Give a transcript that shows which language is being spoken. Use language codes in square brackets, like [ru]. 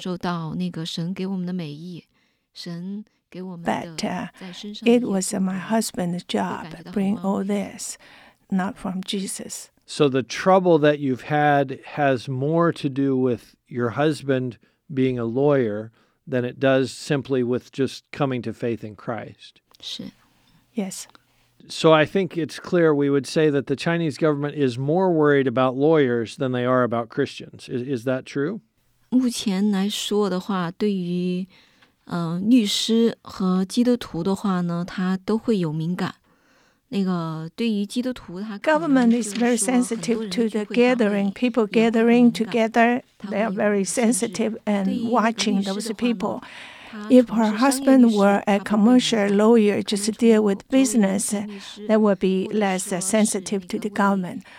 [zh] 因为做基督徒的话呢，只会感受到那个神给我们的美意。 [en] But it was my husband's job to bring all this, not from Jesus. So the trouble that you've had has more to do with your husband being a lawyer than it does simply with just coming to faith in Christ. Yes. So I think it's clear we would say that the Chinese government is more worried about lawyers than they are about Christians. Is that true? [zh] 目前来说的话，对于 律师和基督徒的话呢，他都会有敏感。那个对于基督徒，他可能说很多人会觉得, [en] government is very sensitive to the gathering, people gathering together. They are very sensitive and watching those people. If her husband were a commercial lawyer just to deal with business, that would be less sensitive to the government.